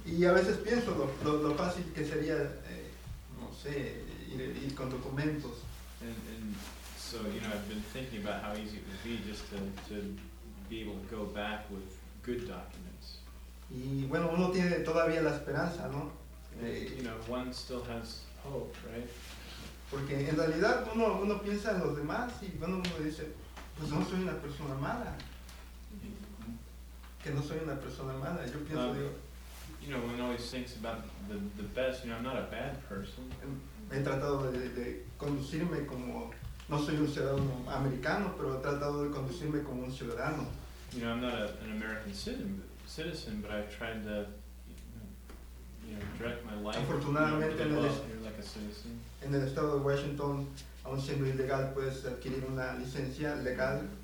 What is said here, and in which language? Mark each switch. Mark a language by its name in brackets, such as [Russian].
[Spanish] Y a veces pienso lo fácil que sería, no sé, ir con documentos. [English] And so, you know, I've been thinking about how easy it would be just to be able to go back with good documents. [Spanish] Y bueno, uno tiene todavía la esperanza, ¿no? [English] You know, one still has hope, right? [Spanish] Porque en realidad uno piensa en los demás y bueno, uno dice, pues no soy una persona mala. Que no soy una persona mala. Yo pienso, digo... [English] You know, one always thinks about the best, you know, I'm not a bad person. [Spanish] He tratado de conducirme como, no soy un ciudadano americano, pero he tratado de conducirme como un ciudadano. [English] You know, I'm not an American citizen, but I've tried to, you know, direct my life. [Spanish] Afortunadamente, [English] you know, like a citizen. [Spanish] En el estado de Washington, aun siendo ilegal, puedes adquirir una licencia legal.